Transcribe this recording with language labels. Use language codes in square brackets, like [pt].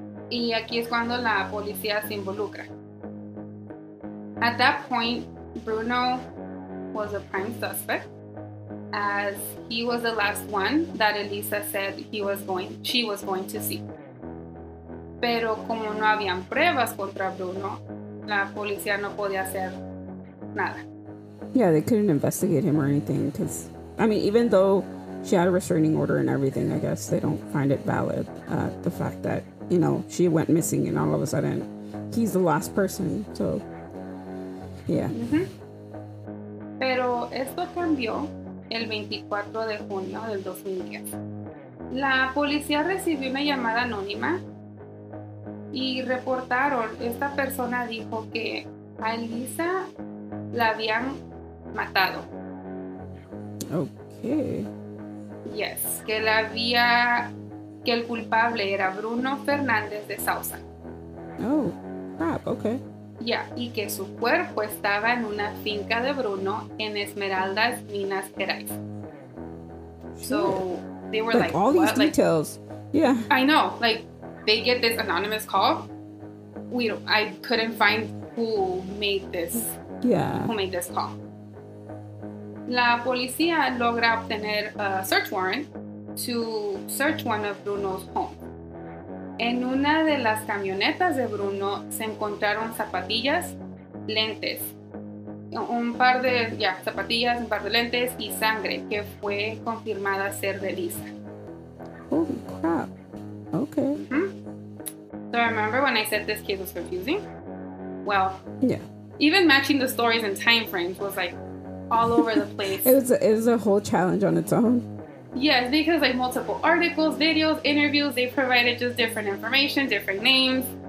[es] Y aquí es cuando la policía se involucra. [en] At that point, Bruno was a prime suspect, as he was the last one that Eliza said she was going to see. [es] Pero como no habían pruebas contra Bruno, la policía no podía hacer nada. [en] Yeah, they couldn't investigate him or anything, because, I mean, even though she had a restraining order and everything, I guess they don't find it valid, the fact that, you know, she went missing and all of a sudden he's the last person, so yeah. [es] Pero esto cambió el 24 de junio del 2010. La policía recibió una llamada anónima Y reportaron, esta persona dijo que a Eliza la habían matado. [en] Okay. [es] Yes, que la había, que el culpable era Bruno Fernández de Sauza. [en] Oh, crap, okay. [es] Yeah, y que su cuerpo estaba en una finca de Bruno en Esmeraldas, Minas Gerais. [en] So, they were like all what? These details. Like, yeah. I know, like, they get this anonymous call. We don't, I couldn't find who made this. Yeah. Who made this call. [es] La policía logra obtener [en] a search warrant to search one of Bruno's homes. [es] En una de las camionetas de Bruno se encontraron zapatillas, lentes, un par de, zapatillas, un par de lentes y sangre que fue confirmada ser de Lisa. [en] Holy crap. Okay. Mm-hmm. So remember when I said this case was confusing? Well, yeah. Even matching the stories and time frames was like all over the place. it was a whole challenge on its own. Yes, because like multiple articles, videos, interviews, they provided just different information, different names.